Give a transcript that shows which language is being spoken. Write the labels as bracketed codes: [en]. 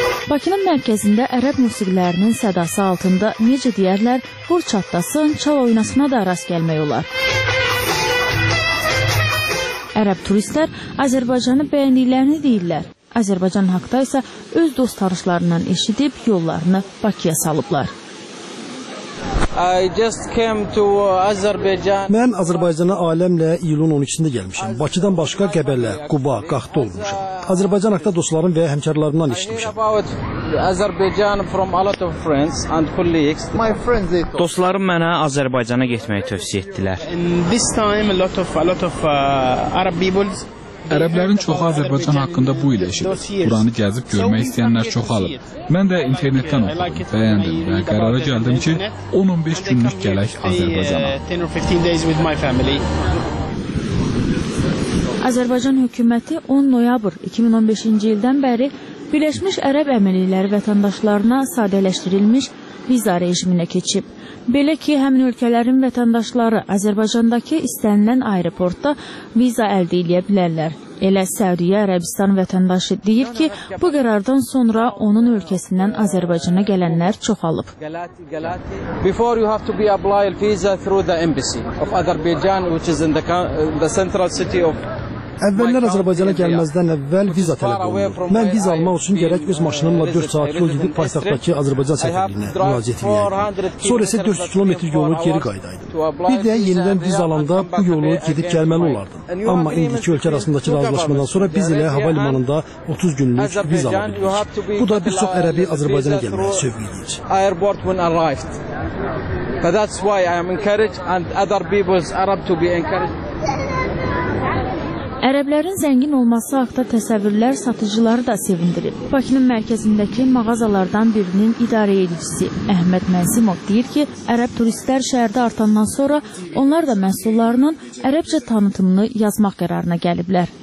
[az] Bakının mərkəzində ərəb musiqilərinin sədası altında necə deyərlər, vur çatdasın, çal oynasına da rast gəlmək olar. Ərəb turistlər Azərbaycanı bəyəndiklərini deyirlər. Azərbaycan haqda isə öz dost tanışlarından eşidib yollarını Bakıya salıblar. [en] I just came to Azerbaijan. [az] Mən Azərbaycana aləmlə iyulun 12-sində gəlmişəm. Bakıdan başqa Qəbələ, Quba, Qaxda olmuşam. Azərbaycan haqqında dostlarım və həmkarlarımdan eşitmişəm. [en] Azerbaijan from a lot of friends and colleagues. My friends they told. [az] Dostlarım mənə Azərbaycana getməyi tövsiyə etdilər. [en] This time a lot of Arab peoples. [az] Ərəblərin çoxu Azərbaycan haqqında bu ilə eşidir. Buranı gəzib görmək istəyənlər çoxalıb. Mən də internetdən oxudum, bəyəndim və qərara gəldim ki, 10-15 günlük gələk Azərbaycana. Azərbaycan hökuməti 10 noyabr 2015-ci ildən bəri Birləşmiş Ərəb Əmirlikləri vətəndaşlarına sadələşdirilmiş viza rejiminə keçib. Belə ki, həmin ölkələrin vətəndaşları Azərbaycandakı istənilən aeroportda viza əldə edə bilərlər. Elə Səudiyyə Ərəbistan vətəndaşı deyir ki, bu qərardan sonra onun ölkəsindən Azərbaycana gələnlər çoxalıb. [en] Before you have to be apply visa through the embassy of Azerbaijan which is in the central city of [az] Əvvəllər Azərbaycana gəlməzdən əvvəl viza tələb olunur. Mən viza almaq üçün gərək öz maşınımla 4 saat yol gedib paytaxtdakı Azərbaycan səfirliyinə müraciət edəyəm. Sonra isə 400 kilometr yolu geri qaydaydım. Bir də yenidən viza alanda bu yolu gedib gəlməli olardım. Amma indiki ölkə arasındakı razılaşmadan sonra biz ilə hava limanında 30 günlük viza alabildik. Bu da bir çox ərəbi Azərbaycana gəlməyə sövq edir. [en] That's why I am encouraged and other people's Arab to be encouraged. [az] Ərəblərin zəngin olması haqda təsəvvürlər satıcıları da sevindirib. Bakının mərkəzindəki mağazalardan birinin idarə edicisi Əhməd Mənzimov deyir ki, ərəb turistlər şəhərdə artandan sonra onlar da məhsullarının ərəbcə tanıtımını yazmaq qərarına gəliblər.